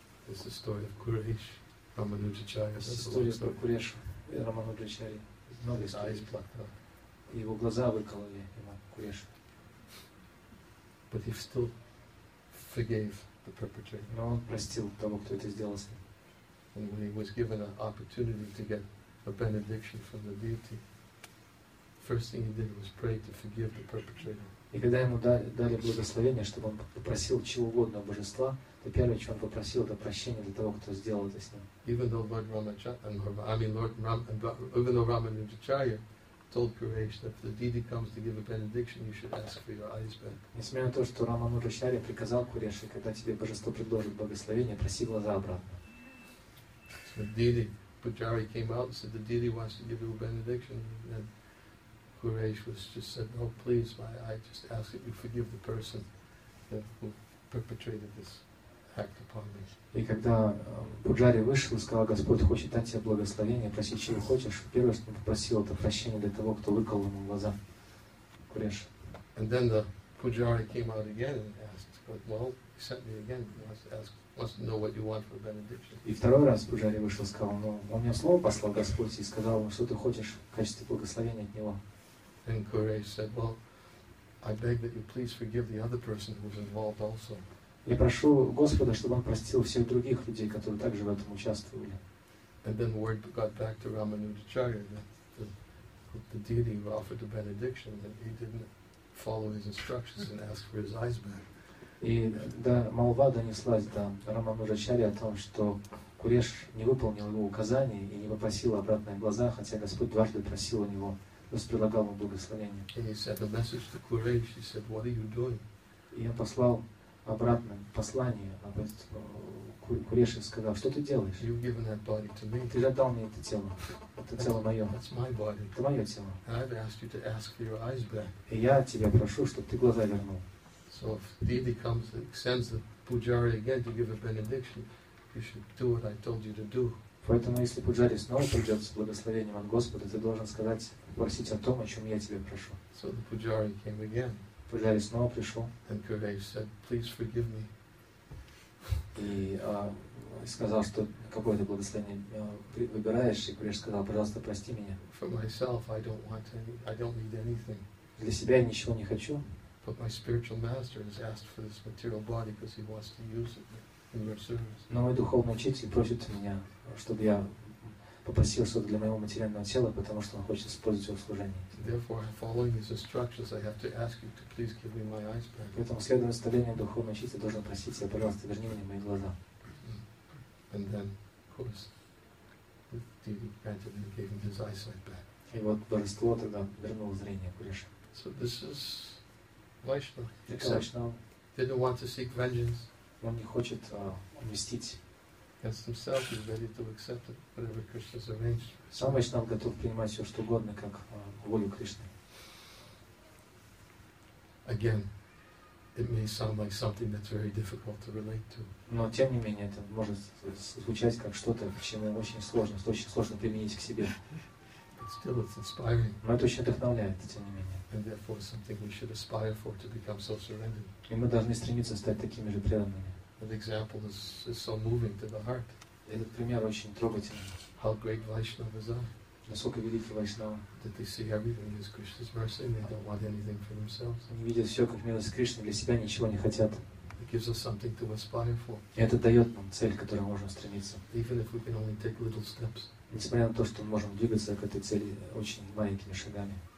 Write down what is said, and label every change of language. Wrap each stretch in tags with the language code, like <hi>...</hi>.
<en>It's the story of Kuresh, Ramanujacharya. His eyes plucked out.</en> <ru>Его глаза выкололи ему Куреш.</ru> <en>But he still forgave the perpetrator.</en> <ru>Но он простил того, кто это сделал с ним.</ru> <en>And when he was given an opportunity to get a benediction from the deity, first thing he did was pray to forgive the perpetrator.</en> <ru>И когда ему дали благословение, чтобы он попросил чего угодно божества, то первое, чего он попросил, это прощение для того, кто сделал это с ним.</ru> <en>Even though Ramanujacharya told Kuresh that if the deity comes to give a benediction, you should ask for your eyes back.</en> <ru>Несмотря на то, что Рамануджачарья приказал Куреше, когда тебе божество предложит благословение, проси глаза обратно.</ru> <en>So deity, Pujari came out and said the deity wants to give you a benediction. And Kuresh was just said, "No, please, my I just ask that you forgive the person that who perpetrated this act upon me."</en> <ru>И когда Пуджари вышел и сказал, Господь хочет дать тебе благословение, проси чего хочешь, первое, что попросил, это прощение для того, кто выколол ему глаза. Куреш.</ru> <en>And then the Pujari came out again and asked, but, "Well, he sent me again. He wants to ask, wants to know what you want for benediction."</en> <ru>И второй раз Пуджари вышел и сказал, "Но он мне слово послал Господь и сказал, что ты хочешь в качестве благословения от него."</ru> <en>And Kuresh said, "Well, I beg that you please forgive the other person who was involved also."</en> <ru>Я прошу Господа, чтобы он простил всех других людей, которые также в этом участвовали.</ru> <en>And then word got back to Ramanujacharya that the deity who offered the benediction that he didn't follow his instructions and ask for his eyes back.</en> <ru>И да, молва донеслась до Рамануджачарьи о том, что Куреш не выполнил его указание и не попросил обратные глаза, хотя Господь дважды просил у него. Предлагал ему благословение.</ru> <en>And he sent a message to Kuresh. He said, "What are you doing?"</en> <ru>И он послал обратно послание об Куреш и сказал, что ты делаешь?</ru> <en>You've given that body to me.</en> <ru>Ты отдал мне это тело. Это тело мое.</ru> <en>That's my body.</en> <ru>Это мое тело.</ru> <en>And I've asked you to ask for your eyes back.</en> <ru>И я тебя прошу, чтобы ты глаза вернул.</ru> <en>So if Didi comes and sends the Pujari again to give a benediction, you should do what I told you to do.</en> <ru>Поэтому, если пуджари снова придет с благословением от Господа, ты должен сказать, попросить о том, о чем я тебе прошу.</ru> <en>So the pujari came again.</en> <ru>Пуджари снова пришел.</ru> <en>And Kuresh said, please forgive me.</en> <ru>И сказал, что какое-то благословение выбираешь, и Куреш сказал, пожалуйста, прости меня.</ru> <en>For myself, I don't want any, I don't need anything.</en> <ru>Для себя я ничего не хочу.</ru> <en>But my spiritual master has asked for this material body because he wants to use it in your service.</en> <ru>Но мой духовный учитель просит меня, чтобы я попросил что-то для моего материального тела, потому что он хочет использовать его в служении.</ru> <en>Therefore, following his instructions, I have to ask you to please give me my eyes back.</en> <ru>Поэтому следуя наставлениям духовного учителя, я должен просить тебя, пожалуйста, верни мне мои глаза.</ru> <en>And then, of course, the deity granted and gave him his eyesight back.</en> <ru>И вот божество тогда вернуло зрение Куреша.</ru> <en>So this is Vaishnava. Didn't want to seek vengeance.</en> <ru>Он не хочет мстить.</ru> <en>Against himself, he's ready to accept it, whatever Krishna's arranged.</en> <ru>Сам Вайшнав готов принимать все, что угодно, как волю Кришны.</ru> <en>Again, it may sound like something that's very difficult to relate to.</en> <ru>Но тем не менее, это может звучать как что-то, чему очень сложно применить к себе.</ru> <en>But still, it's inspiring.</en> <ru>Но это очень вдохновляет, тем не менее.</ru> <en>And therefore, something we should aspire for to become self-surrendered.</en> <ru>И мы должны стремиться стать такими же преданными.</ru> <en>That example is so moving to the heart.</en> <ru>Этот пример очень трогательный.</ru> <en>How great Vaishnavas are.</en> <ru>Насколько велики Вайшнавы.</ru> <en>That they see everything as Krishna's mercy and they don't want anything for themselves.</en> <ru>Они видят все как милость Кришны, для себя ничего не хотят.</ru> <en>It gives us something to aspire for.</en> <ru>И это дает нам цель, к которой можем стремиться.</ru> <en>Even if we can only take little steps.</en> <ru>Несмотря на то, что мы можем двигаться к этой цели очень маленькими шагами.</ru>